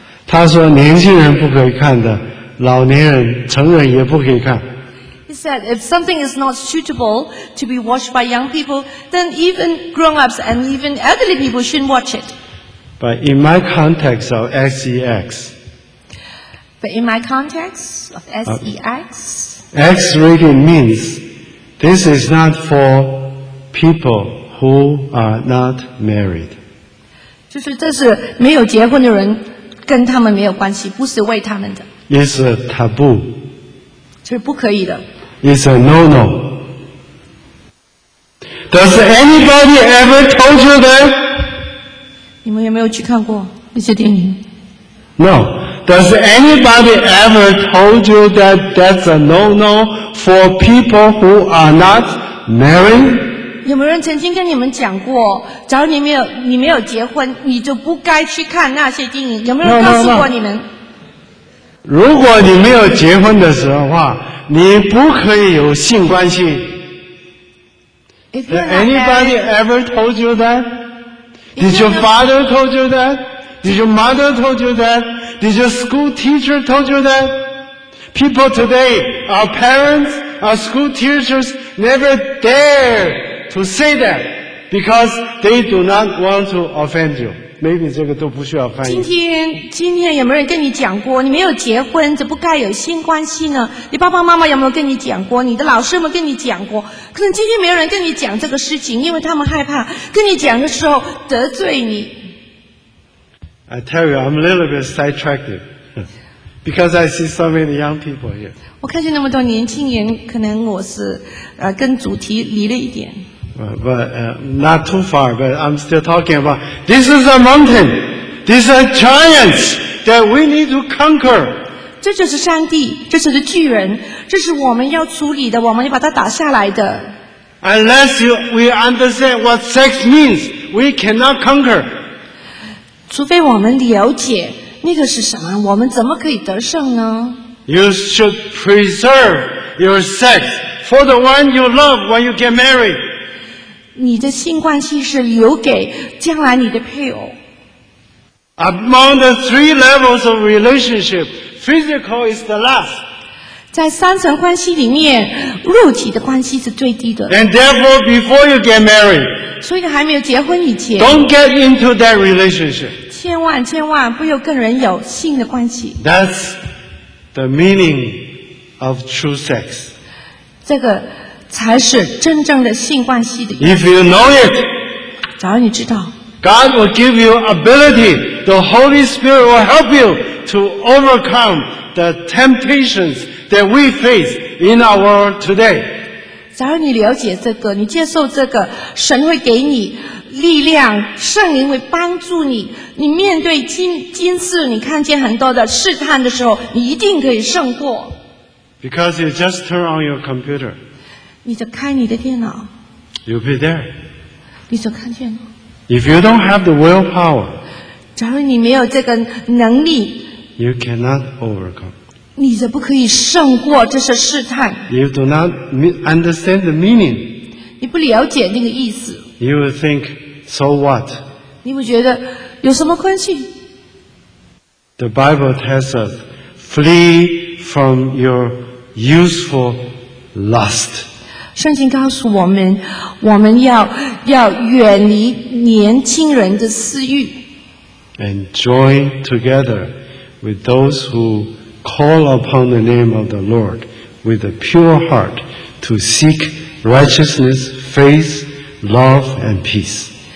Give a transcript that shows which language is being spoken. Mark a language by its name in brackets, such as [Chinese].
[Chinese] 他说年轻人不可以看的，老年人、成人也不可以看。 [English] He said, if something is not suitable to be watched by young people, then even grown-ups and even elderly people shouldn't watch it. But in my context of SEX, X-rated means this is not for people who are not married. [Chinese] 就是这是没有结婚的人跟他们没有关系，不是为他们的。 [English] It's a taboo. [Chinese] 这是不可以的。 [English] It's a no-no. Does anybody ever told you that? [Chinese] 你们有没有去看过那些电影 [English] No. Does anybody ever told you that that's a no-no for people who are not married? [Chinese] 有没有人曾经跟你们讲过，假如你没有结婚，你就不该去看那些电影？有没有人告诉过你们？ [English] No. [Chinese] 如果你没有结婚的时候的话。你不可以有性关系。 [English] Did anybody ever told you that? Did your father told you that? Did your mother told you that? Did your school teacher told you that? People today, our parents, our school teachers never dare to say that because they do not want to offend you. [Chinese] Maybe 这个都不需要翻译。今天有没有人跟你讲过，你没有结婚，怎不该有性关系呢？你爸爸妈妈有没有跟你讲过？你的老师有没有跟你讲过？可能今天没有人跟你讲这个事情，因为他们害怕跟你讲的时候得罪你。 [English] I tell you, I'm a little bit sidetracked because I see so many young people here. [Chinese] 我看见那么多年轻人，可能我是跟主题离了一点。 [English] Not too far, but I'm still talking about this is a mountain. These are giants. that we need to conquer. [Chinese] 这就是上帝，这就是巨人，这是我们要处理的，我们要把它打下来的。 [English] Unless we understand what sex means, we cannot conquer. [Chinese] 除非我们了解那个是什么，我们怎么可以得胜呢？ [English] You should preserve your sex for the one you love when you get married. [Chinese] 你的性关系是留给将来你的配偶。 [English] Among the three levels of relationship, physical is the last. [Chinese] 在三层关系里面，肉体的关系是最低的。 [English] And therefore, before you get married, [Chinese] 所以还没有结婚以前 [English] don't get into that relationship. [Chinese] 千万千万不要跟人有性的关系。 [English] That's the meaning of true sex. [Chinese] 这个才是真正的性关系的。 [English] If you know it, [Chinese] 假如你知道。 [English] God will give you ability. The Holy Spirit will help you to overcome the temptations that we face in our world today. [Chinese] 假如你了解这个，你接受这个，神会给你力量，圣灵会帮助你。你面对今世，你看见很多的试探的时候，你一定可以胜过。 [English] Because you just turn on your computer. [Chinese] 你就开你的电脑。 [English] You'll be there. [Chinese] 你就看见了。 [English] If you don't have the willpower, [Chinese] 假如你没有这个能力, [English] you cannot overcome. [Chinese] 你就不可以胜过这些试探。 [English] You do not understand the meaning. [Chinese] 你不了解那个意思。 [English] You will think, so what? [Chinese] 你会觉得有什么关系? [English] The Bible tells us, flee from your youthful lust. [Chinese] 圣经告诉我们，我们 要远离年轻人的私欲。 [English] And join together with those who call upon the name of the Lord with a pure heart to seek righteousness, faith, love, and peace.